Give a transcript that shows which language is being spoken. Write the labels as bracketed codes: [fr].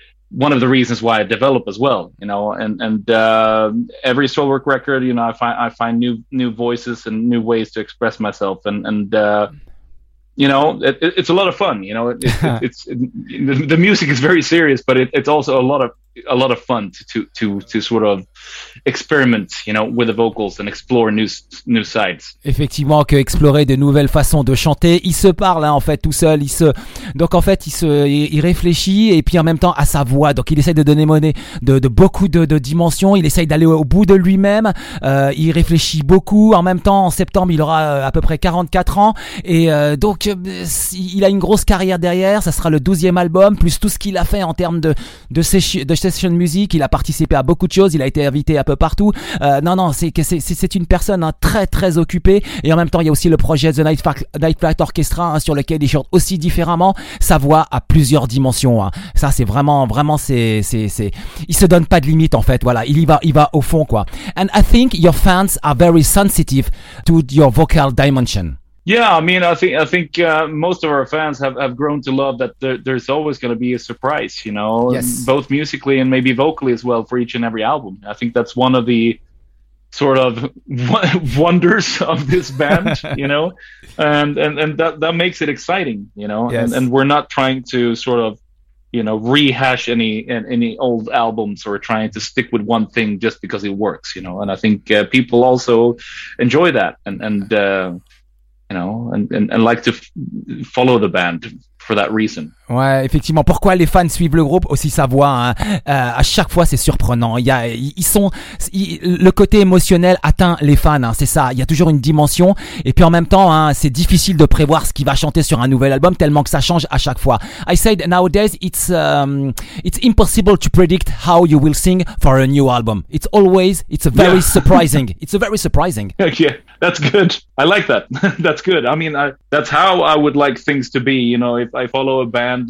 [en] one of the reasons why I develop as well, you know, and every solo work record, you know, I find new voices and new ways to express myself, you know, it's a lot of fun. You know, the music is very serious, but it's also a lot of fun to sort of experiment, you know, with the vocals and explore new sides. [fr] Effectivement, que explorer de nouvelles façons de chanter. Il se parle, hein, en fait, tout seul. Il réfléchit et puis en même temps à sa voix. Donc il essaye de donner monnaie de beaucoup de dimensions. Il essaye d'aller au bout de lui-même. Il réfléchit beaucoup. En même temps, en septembre, il aura à peu près 44 ans et donc il a une grosse carrière derrière. Ça sera le 12e album plus tout ce qu'il a fait en termes de session music. Il a participé à beaucoup de choses. Il a été invité un peu partout. C'est une personne, hein, très très occupée. Et en même temps, il y a aussi le projet The Night Flight Orchestra, hein, sur lequel il chante aussi différemment. Sa voix a plusieurs dimensions, hein. Ça, c'est vraiment c'est il se donne pas de limite, en fait. Voilà, il va au fond, quoi. [en] And I think your fans are very sensitive to your vocal dimension. Yeah, I mean, I think most of our fans have grown to love that there's always going to be a surprise, you know, yes, both musically and maybe vocally as well for each and every album. I think that's one of the sort of wonders of this band, you know, and that makes it exciting, you know, yes. And we're not trying to sort of, you know, rehash any old albums or trying to stick with one thing just because it works, you know, and I think people also enjoy that and like to follow the band for that reason. [fr] Ouais, effectivement. Pourquoi les fans suivent le groupe? Aussi sa voix, hein. À chaque fois, c'est surprenant. Le côté émotionnel atteint les fans, hein. C'est ça. Il y a toujours une dimension. Et puis en même temps, hein, c'est difficile de prévoir ce qu'il va chanter sur un nouvel album tellement que ça change à chaque fois. [en] I said nowadays, it's impossible to predict how you will sing for a new album. It's very surprising. It's a very surprising. Yeah, that's good. I like that. That's good. I mean, that's how I would like things to be, you know, if I follow a band.